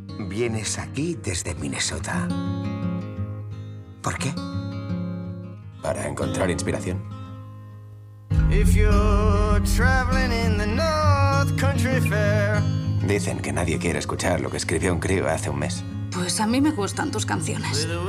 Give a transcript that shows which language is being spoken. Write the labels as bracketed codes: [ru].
[es] Vienes aquí desde Minnesota. ¿Por qué? para encontrar inspiración. [en] If you're traveling in the North Country Fair. [es] Dicen que nadie quiere escuchar lo que escribió un crío hace un mes. Pues a mí me gustan tus canciones.